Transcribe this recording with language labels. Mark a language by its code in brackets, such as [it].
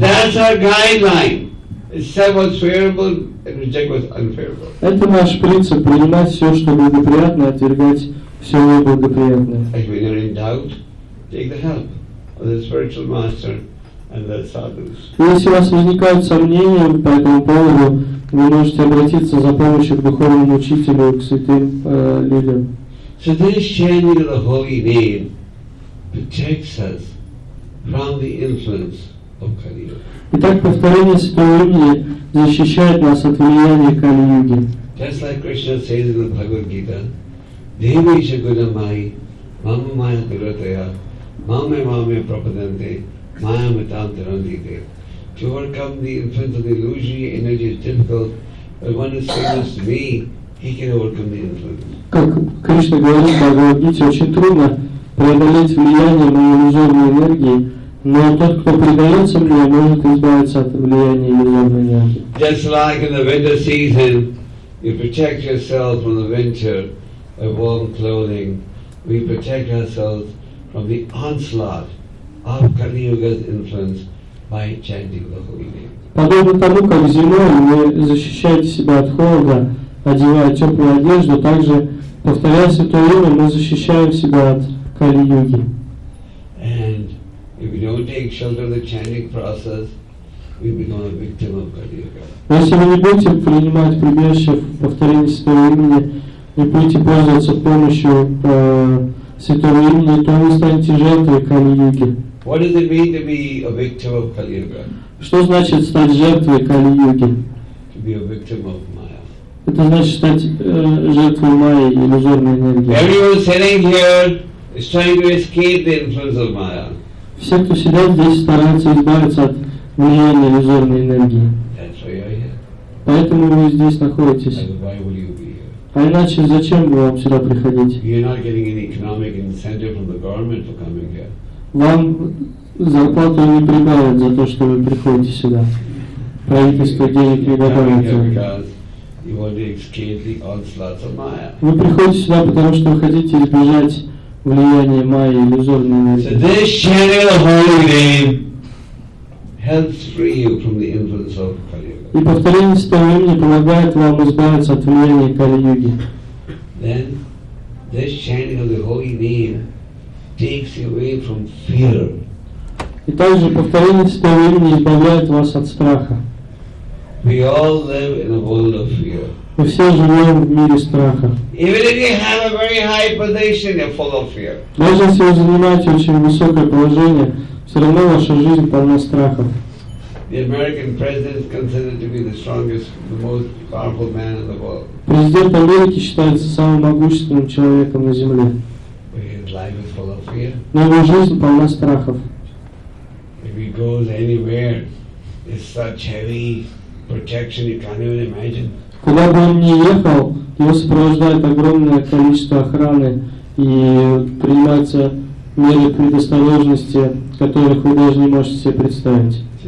[en] So that's our guideline. Accept what's favorable and reject what's unfavorable. [ru] Это наш принцип: принимать все, что благоприятно, отвергать все неблагоприятное. [en] If you're in doubt, take the help of the spiritual master and the sadhus. [ru] Если у вас возникают сомнения по этому поводу, вы можете обратиться за помощью к духовному учителю, к святым людям. [en] So this chanting of the holy name protects us from the influence of Kali Yuga. [ru] Итак, повторение святого имени защищает нас от влияния Кали Юги. [en] Just like Krishna says in the Bhagavad Gita, [sa] Devi Shaguna Mai, Mama Maya Tirataya, Mame Mame Prapadante, Maya Mitam Tirandite. [en] To overcome the influence of the illusory energy is difficult, but one is famous to me, he can overcome the influence. [ru] Как Кришна говорит в Бхагавад Гите, очень трудно преодолеть влияние моей иллюзорной энергии, но тот, кто предается мне, может избавиться от влияния иллюзорной энергии. [en] Just like in the winter season, you protect yourself from the winter by warm clothing, we protect ourselves from the onslaught of Kali Yuga's influence by chanting the holy name. [ru] Подобно тому, как зимой вы защищаете себя от холода, одевая теплую одежду, также, повторяя святое имя, мы защищаем себя от Кали-юги. [en] And if we don't take shelter of the chanting process, we become a victim of Kali-yuga. [ru] Если вы не будете принимать прибежище в повторении святого имени, не будете пользоваться помощью святого имени, то вы станете жертвой Кали-юги. [en] What does it mean to be a victim of Kali-yuga? [ru] Что значит стать жертвой Кали-юги? [en] To be a victim of Maya. [ru] Это значит стать жертвой Майи, иллюзорной энергии. [en] Everyone sitting here is trying to escape the influence of Maya. [ru] Все, кто сидят здесь, стараются избавиться от влияния иллюзорной энергии. [en] That's why you're here. [ru] Поэтому вы здесь находитесь. [en] And why will you be here? [ru] А иначе зачем бы вам сюда приходить? [en] You're not getting any economic incentive from the government for coming here. [ru] Вам зарплату не прибавят за то, что вы приходите сюда. Правительство денег не добавит. [en] You want to escape the onslaughts of Maya. [ru] Вы приходите сюда, потому что вы хотите избежать влияние Майи, иллюзорной энергии. [en] So this chanting of the holy name helps free you from the influence of Kali Yuga. [ru] И повторение святого имени помогает вам избавиться от влияния Кали Юги. [en] Then this chanting of the holy name takes away from fear. [ru] И также повторение святого имени избавляет вас от страха. [en] We all live in a world of fear. [ru] Мы все живем в мире страха. [en] Even if you have a very high position, you're full of fear. [ru] Даже если вы занимаете очень высокое положение, все равно ваша жизнь полна страхов. [en] The American president is considered to be the strongest, the most powerful man in the world. [ru] Президент Америки считается самым могущественным человеком на Земле. [en] But his life is full of fear. [ru] Но его жизнь полна страхов. [en] If he goes anywhere, it's such heavy protection you can't even imagine. [ru] Куда бы он ни ехал, его сопровождает огромное количество охраны и принимаются меры предосторожности, которых вы даже не можете себе представить.